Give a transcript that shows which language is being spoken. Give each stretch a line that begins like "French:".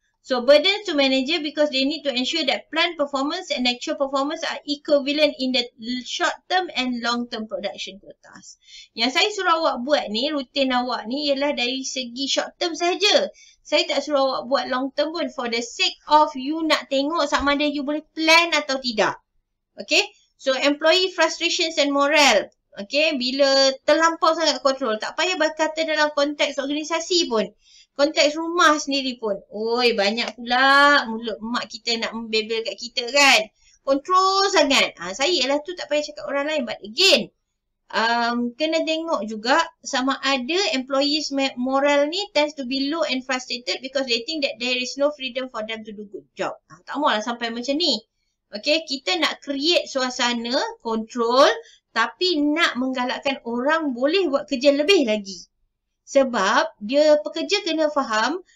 English: So, burden to manager because they need to ensure that planned performance and actual performance are equivalent in the short term and long term production quotas.
Malay: Yang saya suruh awak buat ni, rutin awak ni ialah dari segi short term saja. Saya tak suruh awak buat long term pun
English: for the sake of you
Malay: nak tengok sama ada you boleh plan atau tidak. Okay?
English: So, employee frustrations and morale. Okay,
Malay: bila terlampau sangat kontrol. Tak payah berkata dalam konteks organisasi pun. Konteks rumah sendiri pun. Oi, banyak pula mulut mak kita nak membebel kat kita kan. Kontrol sangat. Ha, saya lah tu tak payah cakap orang lain.
English: But again,
Malay: kena tengok juga sama ada
English: employees morale ni tends to be low and frustrated because they think that there is no freedom for them to do good job.
Malay: Ha, tak maulah sampai macam ni. Okay, kita nak create suasana kontrol tapi nak menggalakkan orang boleh buat kerja lebih lagi. Sebab dia pekerja kena faham